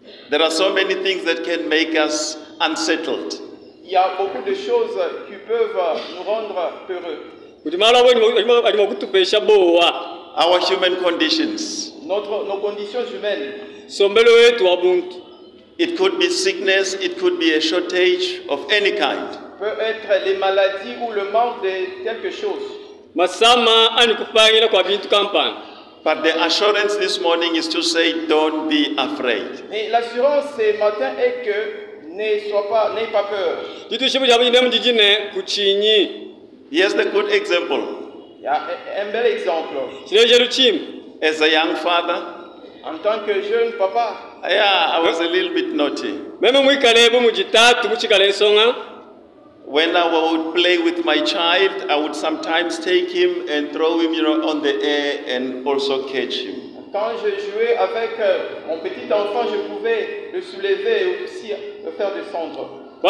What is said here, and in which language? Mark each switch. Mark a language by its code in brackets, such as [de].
[en] There are so many things that can make us unsettled. [fr] Il y a beaucoup de choses qui peuvent nous rendre peureux. [en] Our human conditions. [fr] Nos conditions humaines. [en] It could be sickness, it could be a shortage of any kind. [fr] Peut être les maladies ou le manque de quelque chose. [en] But the assurance this morning is to say, don't be afraid. [fr] Mais l'assurance ce matin est que n'aie pas peur. [en] Here's the good example. [fr] Il y a un bel exemple. [en] As a young father, [fr] en tant que jeune papa, [en] yeah, I was a little bit naughty. When I would play with my child, I would sometimes take him and throw him, you know, on the air and also catch him. [fr] Quand je jouais avec mon petit enfant, je pouvais le soulever et aussi le faire descendre.